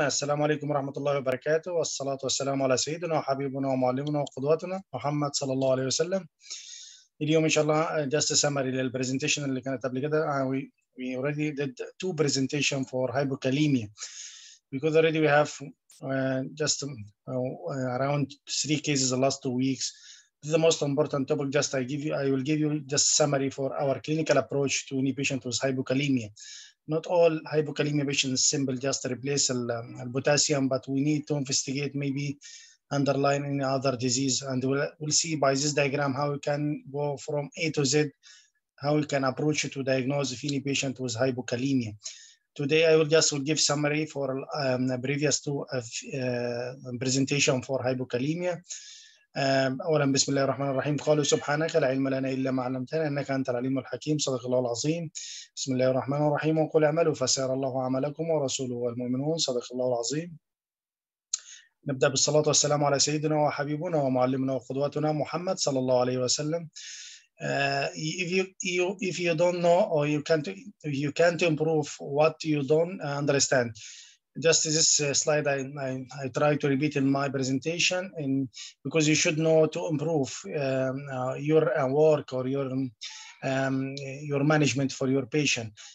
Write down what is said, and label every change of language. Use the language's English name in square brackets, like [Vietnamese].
[Arabic] السلام عليكم ورحمة الله وبركاته، والصلاة والسلام على سيدنا وحبيبنا ومعلمنا وقدوتنا محمد صلى الله عليه وسلم. اليوم إن شاء الله [English] just a summary [Arabic] للبرزنتيشن اللي كانت قبل كده. [English] We already did two presentation for hypokalemia because already we have just around three cases the last two weeks. This is the most important topic. Just I will give you just summary for our clinical approach to any patient with hypokalemia. Not all hypokalemia patients simple just replace the potassium, but we need to investigate maybe underlying any other disease. And we'll see by this diagram how we can go from A to Z, how we can approach it to diagnose if any patient with hypokalemia. Today, I will just give summary for previous two presentation for hypokalemia. [Arabic] أولا بسم الله الرحمن الرحيم، قالوا سبحانك لا علم لنا إلا ما علمتنا إنك أنت العليم الحكيم، صدق الله العظيم. بسم الله الرحمن الرحيم، وقل اعملوا فسيرى الله عملكم ورسوله والمؤمنون، صدق الله العظيم. نبدأ بالصلاة والسلام على سيدنا وحبيبنا ومعلمنا وقدوتنا محمد صلى الله عليه وسلم. [English] If you don't know or you can't improve what you don't understand. Just this slide, I try to repeat in my presentation, and because you should know to improve your work or your management for your patient.